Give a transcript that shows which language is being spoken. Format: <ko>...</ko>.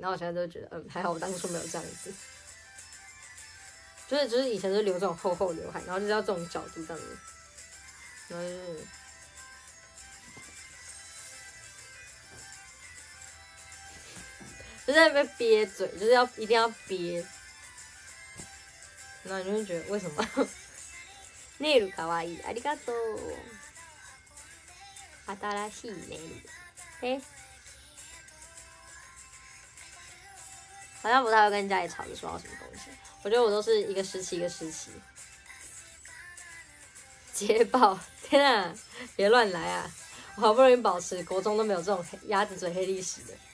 <zh>那我现在都觉得，嗯，还好我当初没有这样子。就是以前就留这种厚厚刘海，然后就是要这种角度这样子，然后就是。就在那边憋嘴，就是要一定要憋，那你就会觉得为什么？</zh> <ja>ネイル可愛い、ありがとう。新しいネイル。</ja> <zh>嘿，好像不太会跟家里吵着说要什么东西。我觉得我都是一个时期一个时期。捷豹，天啊，别乱来啊！我好不容易保持国中都没有这种鸭子嘴黑历史的。</zh>